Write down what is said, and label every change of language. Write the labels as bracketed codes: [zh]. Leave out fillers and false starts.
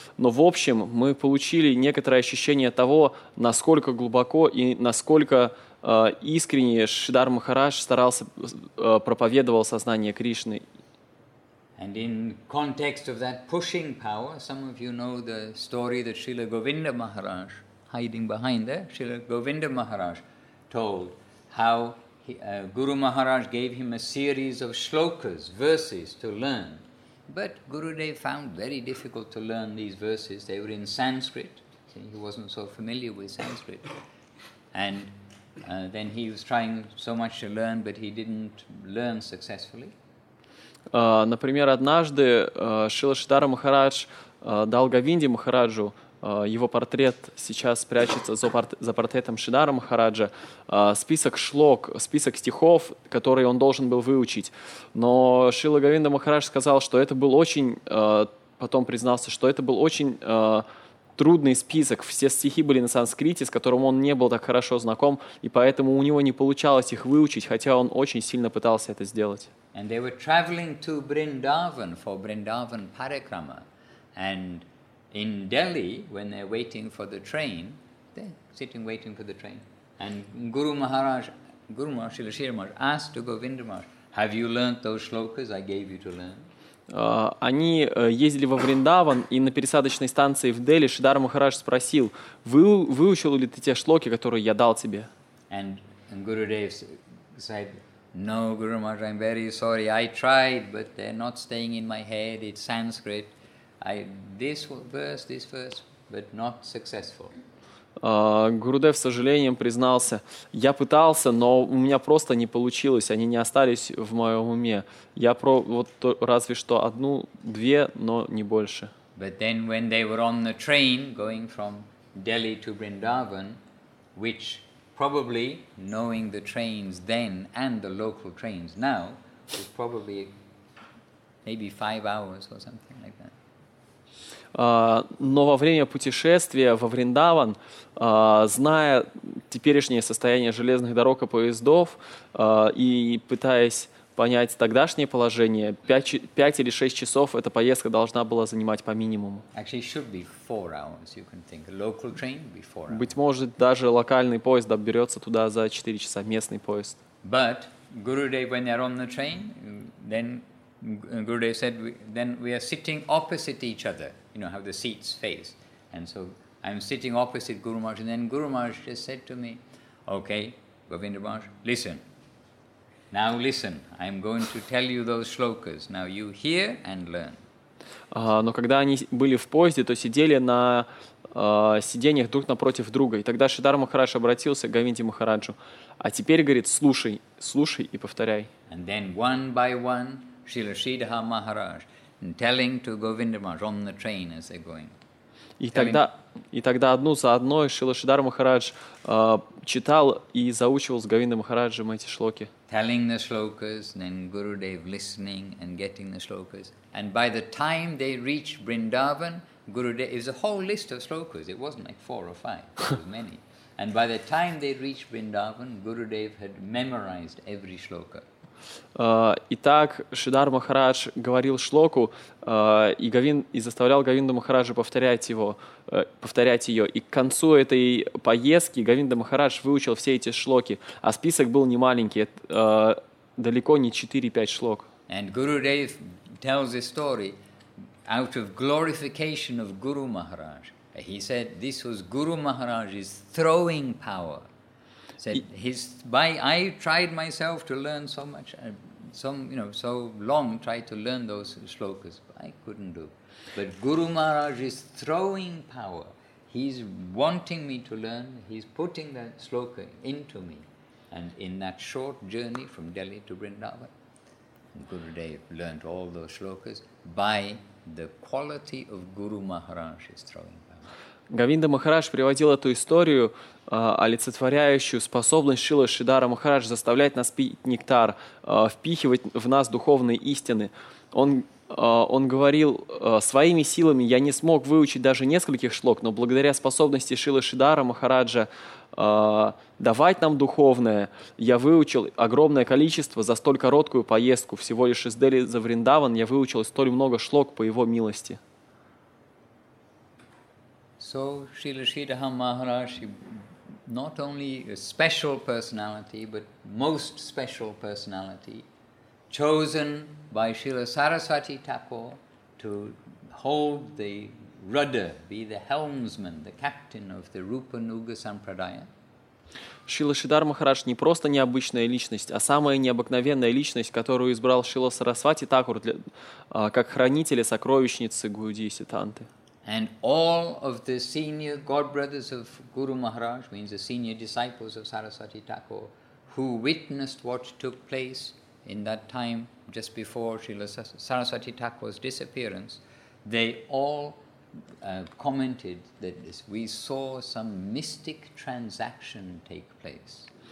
[ru] Но в общем мы получили некоторое ощущение того, насколько глубоко и насколько искренне Шридхар Махарадж старался проповедовал сознание Кришны. [en] And in context of that pushing power, some of you know the story that Srila Govinda Maharaj, hiding behind there, Srila Govinda Maharaj told how Guru Maharaj gave him a series of shlokas, verses to learn. But Gurudev found very difficult to learn these verses. They were in Sanskrit. See, he wasn't so familiar with Sanskrit. And then he was trying so much to learn, but he didn't learn successfully. [ru] Например, однажды Шрила Шридхара Махарадж дал Говинде Махараджу, его портрет сейчас прячется за портретом Шридхара Махараджа, список шлок, список стихов, которые он должен был выучить. Но Шрила Говинда Махарадж сказал, что это был потом признался, что это был очень трудный список, все стихи были на санскрите, с которым он не был так хорошо знаком, и поэтому у него не получалось их выучить, хотя он очень сильно пытался это сделать. [en] And they were traveling to Vrindavan for Vrindavan Parikrama. And in Delhi, when they're waiting for the train, they're sitting waiting for the train. And Guru Maharaj, Srila Sridhara Maharaj, asked to Govinda Maharaj, have you learnt those shlokas I gave you to learn? [ru] Они ездили во Вриндаван, и на пересадочной станции в Дели Шридхар Махарадж спросил, выучил ли ты те шлоки, которые я дал тебе? [en] And Gurudev said, no, Guru Maharaj, I'm very sorry. I tried, but they're not staying in my head. It's Sanskrit. This verse, but not successful. [ru] Гурудев с сожалением признался, я пытался, но у меня просто не получилось, они не остались в моем уме. Разве что одну, две, но не больше. [en] But then when they were on the train going from Delhi to Vrindavan, which probably, knowing the trains then and the local trains now, is probably maybe 5 hours or something like that. [ru] Но во время путешествия во Вриндаван, зная теперешнее состояние железных дорог и поездов, и пытаясь понять тогдашнее положение, 5 или 6 часов эта поездка должна была занимать по минимуму. [en] Actually, it should be 4 hours, you can think. Local train would be 4 hours. [ru] Быть может, даже локальный поезд доберется туда за 4 часа, местный поезд. [en] But Gurudev, when they're on the train, then Gurudev said, then we are sitting opposite each other, you know, how the seats face. And so I'm sitting opposite Guru Maharaj, and then Guru Maharaj just said to me, okay, Govinda Maharaj, listen. Now listen, I'm going to tell you those shlokas. Now you hear and learn. [ru] Но когда они были в поезде, то сидели на сиденьях друг напротив друга. И тогда Шридхар Махарадж обратился к Говинде Махараджу. А теперь, говорит, слушай, слушай и повторяй. [en] And then one by one, Srila Sridhar Maharaj, telling to Govinda Maharaj on the train as they're going. [ru] И тогда одну за одной Шрила Шридхар Махарадж читал и заучивал с Говиндой Махараджем эти шлоки. [en] Telling the shlokas, then Gurudev listening and getting the shlokas. And by the time they reach Vrindavan, Gurudev, it was a whole list of shlokas. It wasn't like 4 or 5, it was many. And by the time they reach Vrindavan, Gurudev had memorized every shloka. [ru] Итак, Шридхар Махарадж говорил шлоку, и заставлял Говинду Махараджа повторять его, повторять ее. И к концу этой поездки Говинда Махарадж выучил все эти шлоки, а список был немаленький, далеко не 4-5 шлок. [en] And Gurudev tells a story out of glorification of Guru Maharaj. He said this was Guru Maharaj's throwing power. Said his by I tried myself to learn so much, so long tried to learn those shlokas, but I couldn't do. But Guru Maharaj is throwing power. He's wanting me to learn. He's putting that shloka into me, and in that short journey from Delhi to Vrindavan, Gurudev learned all those shlokas by the quality of Guru Maharaj's throwing power. [ru] Говинда Махарадж приводил эту историю, олицетворяющую способность Шрилы Шридхара Махарадж заставлять нас пить нектар, впихивать в нас духовные истины. Он говорил, своими силами я не смог выучить даже нескольких шлок, но благодаря способности Шрилы Шридхара Махараджа давать нам духовное, я выучил огромное количество за столь короткую поездку, всего лишь из Дели за Вриндаван, я выучил столь много шлок по его милости. [en] So Srila Sridhara Maharaj, not only a special personality, but most special personality, chosen by Srila Saraswati Thakur to hold the rudder, be the helmsman, the captain of the Rupa Nuga Sampradaya. [ru] Шрила Шридхар Махарадж не просто необычная личность, а самая необыкновенная личность, которую избрал Шрила Сарасвати Такур как хранителя сокровищницы Гауди и Сиддханты. [en] And all of the senior godbrothers of Guru Maharaj, means the senior disciples of Saraswati Thakur, who witnessed what took place in that time just before Srila Saraswati Thakur's disappearance, they all commented that this, we saw some mystic transaction take place.